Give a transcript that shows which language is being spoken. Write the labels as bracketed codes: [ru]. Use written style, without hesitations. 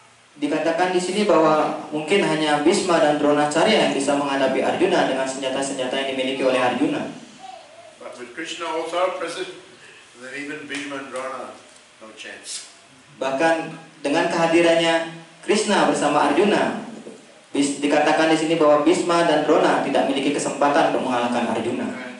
[id] Dikatakan di sini bahwa mungkin hanya Bhishma dan Dronacharya yang bisa menghadapi Arjuna dengan senjata-senjata yang dimiliki oleh Arjuna. [en] But with Krishna also present, then even Bhishma and Drona no chance. [id] Bahkan dengan kehadirannya Krishna bersama Arjuna, dikatakan di sini bahwa Bhishma dan Drona tidak memiliki kesempatan untuk mengalahkan Arjuna.